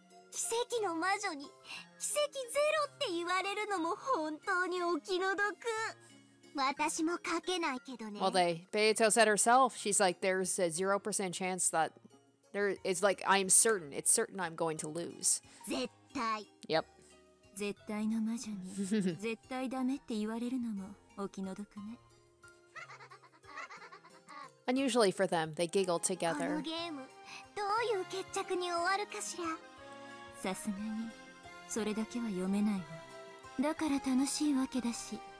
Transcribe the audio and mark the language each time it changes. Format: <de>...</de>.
<ja>奇跡の魔女に奇跡ゼロって言われるのも本当にお気の毒。私もかけないけどね。</ja> <en>Well, they, Beato said herself, she's like, there's a 0% chance that there is like, I'm certain, it's certain I'm going to lose.</en> <ja>絶対。</ja> <en>Yep.</en> <ja>絶対の魔女に絶対ダメって言われるのもお気の毒ね。</ja> <en>Unusually for them, they giggled together.</en> <ja>このゲーム、どういう決着に終わるかしら。さすがに、それだけは読めないわ。だから楽しいわけだし。</ja>